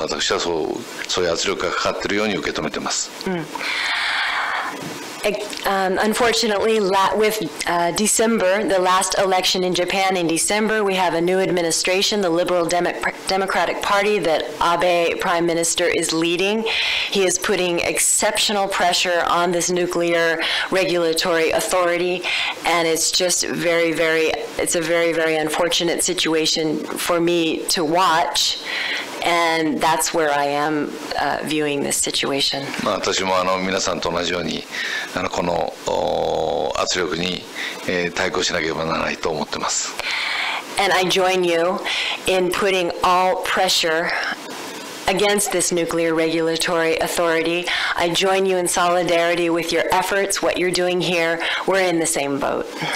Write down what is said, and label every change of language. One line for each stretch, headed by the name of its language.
Japanese: 私はそういう圧力がかかっているように受け止めています。
English: Unfortunately, with December, the last election in Japan in December, we have a new administration, the Liberal Democratic Party that Abe Prime Minister is leading. He is putting exceptional pressure on this nuclear regulatory authority, and it's just very, very, it's a very, very unfortunate situation for me to watch. And that's where I am viewing this situation.
Japanese: まあ、私も皆さんと同じようにこの圧力に、対抗しなければならないと思っています。
English: And I join you in putting all pressure against this nuclear regulatory authority. I join you in solidarity with your efforts, what you're doing here. We're in the same boat.